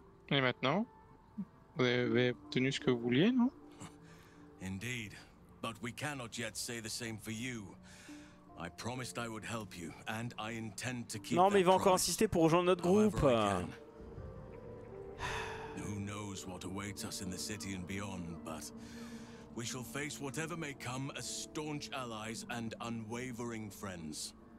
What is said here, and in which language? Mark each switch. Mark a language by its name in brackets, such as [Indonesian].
[French] Et maintenant, vous avez obtenu ce que vous vouliez, non? [English] Indeed. But we cannot yet say the same for you. I promised I would help you, and I intend to keep. [French] Non, mais il va encore insister pour rejoindre notre groupe. [English] Who knows what awaits us in the city and beyond? But we shall face whatever may come as staunch allies and unwavering friends.